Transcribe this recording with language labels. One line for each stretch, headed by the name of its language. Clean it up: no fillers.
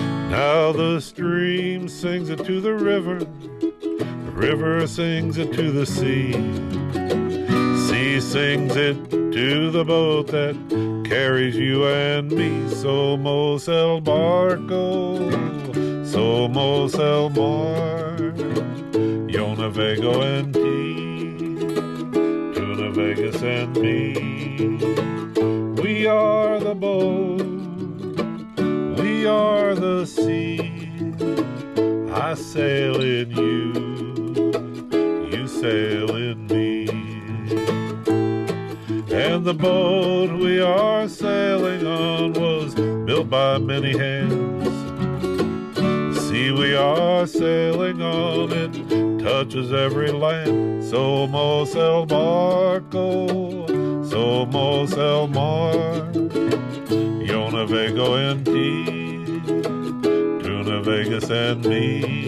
English: Now the stream sings it to the river. The river sings it to the sea. Sea sings it to the boat that carries you and me.
Spanish: Somos el barco, somos el mar. Yo navego en ti, tú navegas en mí.
English: We are the boat, we are the sea. I sail in you, you sail in me. And the boat we are sailing on was built by many hands. See, we are sailing on, it touches every land.
Spanish: Somos el barco, somos el mar. Yo navego en ti, tú navegas en mí.